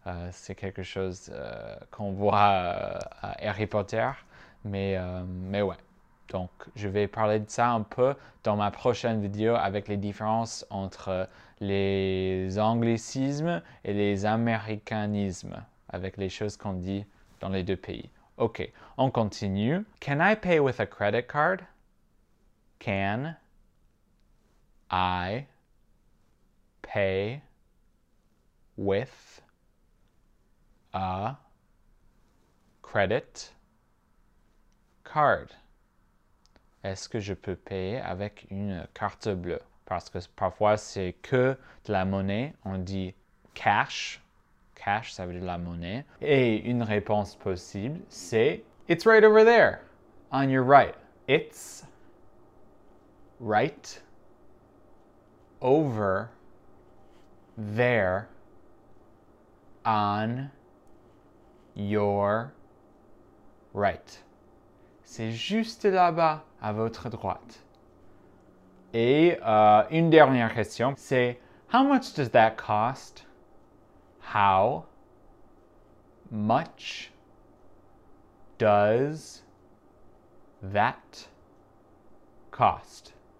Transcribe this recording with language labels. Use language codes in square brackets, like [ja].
[fr] C'est quelque chose qu'on voit à Harry Potter. Mais ouais. Donc, je vais parler de ça un peu dans ma prochaine vidéo avec les différences entre les anglicismes et les américanismes, avec les choses qu'on dit dans les deux pays. OK, on continue. [en] Can I pay with a credit card? Can I pay with a credit card? [fr] Est-ce que je peux payer avec une carte bleue? Parce que parfois c'est que de la monnaie, on dit cash. Cash, ça veut dire de la monnaie. Et une réponse possible, c'est [en] it's right over there, on your right. It's right over there on your right. [fr] C'est juste là-bas, à votre droite. Et une dernière question, c'est [en] how much does that cost? How much does that cost?